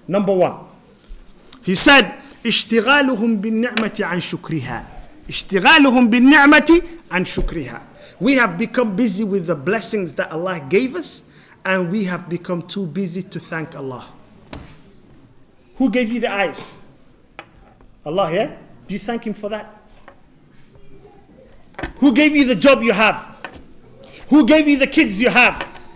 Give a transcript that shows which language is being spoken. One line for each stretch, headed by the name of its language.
English: Number one, he said,
Arabic: اشتغالهم بالنعمة عن شكرها. اشتغالهم بالنعمة عن شكرها.
English: We have become busy with the blessings that Allah gave us, and we have become too busy to thank Allah. Who gave you the eyes? Allah, yeah? Do you thank Him for that? Who gave you the job you have? Who gave you the kids you have?